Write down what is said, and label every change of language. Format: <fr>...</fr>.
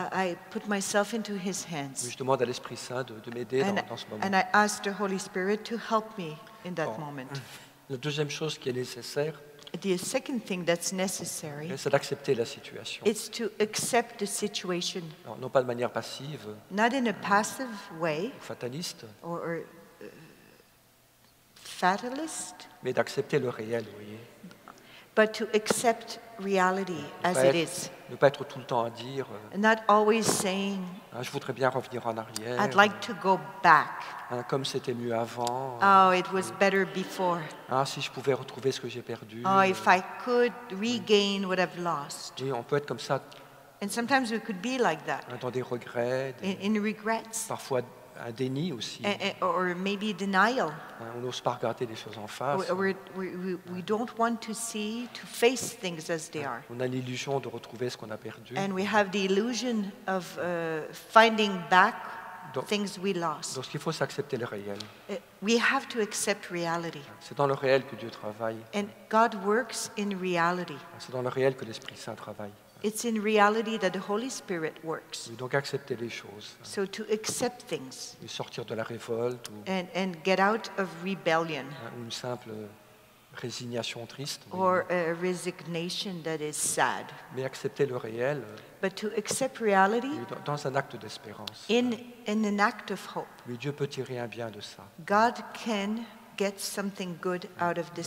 <en>I put myself into his hands.</en> <fr>Je demande à l'Esprit Saint de m'aider dans ce moment.</fr> <en>And I ask the Holy Spirit to help me in that moment.</en> <fr>La deuxième chose qui est nécessaire.</fr> <en>The second thing that's necessary.</en> <fr>C'est d'accepter la situation.</fr> <en>It's to accept the situation.</en> <fr>Non pas de manière passive.</fr> <en>Not in a passive way.</en> <fr>Fataliste.</fr> <en>Or fatalist.</en> <fr>Mais d'accepter le réel, vous voyez.</fr> <en>But to accept reality as it is.</en> <fr>Ne pas être tout le temps à dire.</fr> <en>Not always saying.</en> <fr>Je voudrais bien revenir en arrière.</fr> <en>I'd like to go back.</en> <fr>Comme c'était mieux avant.</fr> <en>Oh, it was better before.</en> <fr>Si je pouvais retrouver ce que j'ai perdu.</fr> <en>Oh, if I could regain what I've lost.</en> <fr>Oui, on peut être comme ça.</fr> <en>And sometimes we could be like that.</en> <fr>Dans des regrets.</fr> <en>In regrets.</en> <fr>Parfois un déni aussi.</fr> <en>Or maybe denial.</en> <fr>On n'ose pas regarder les choses en face.</fr> <en>We don't want to see, to face things as they are.</en> <fr>On a l'illusion de retrouver ce qu'on a perdu.</fr> <en>And we have the illusion of finding back things we lost.</en> <fr>Donc il faut s'accepter le réel.</fr> <en>We have to accept reality.</en> <fr>C'est dans le réel que Dieu travaille.</fr> <en>And God works in reality.</en> <fr>C'est dans le réel que l'Esprit Saint travaille.</fr> <en>It's in reality that the Holy Spirit works.</en> <fr>Et donc accepter les choses.</fr> <en>So to accept things.</en> <fr>Et sortir de la révolte.</fr> <en>And get out of rebellion.</en> <fr>Une simple résignation triste.</fr> <en>Or a resignation that is sad.</en> <fr>Mais accepter le réel.</fr> <en>But to accept reality.</en> <fr>Dans un acte d'espérance.</fr> <en>In an act of hope.</en> <fr>Mais Dieu peut tirer un bien de ça.</fr> <en>God can get something good out of this</en>